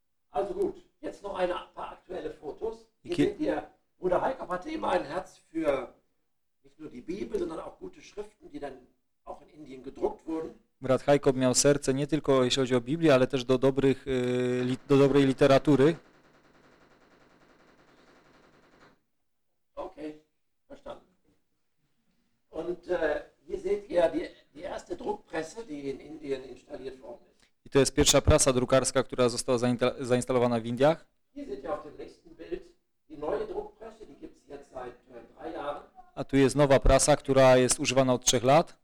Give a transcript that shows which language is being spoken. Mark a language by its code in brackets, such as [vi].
[de] Also gut, jetzt noch ein paar aktuelle Fotos. Hier Bruder Heikop hatte immer ein Herz für nicht nur die Bibel, sondern auch gute Schriften, die dann auch in Indien gedruckt wurden. [pl] Brat Heikop miał serce nie tylko jeśli chodzi o Biblię, ale też do dobrej literatury. [de] Okay, verstanden. Und hier seht ihr die erste Druckpresse, die in Indien installiert worden ist. [pl] I to jest pierwsza prasa drukarska, która została zainstalowana w Indiach. [de] Hier seht ihr auf dem nächsten Bild die neue Druckpresse, die gibt es jetzt seit 3 Jahren. [pl] A tu jest nowa prasa, która jest używana od 3 lat.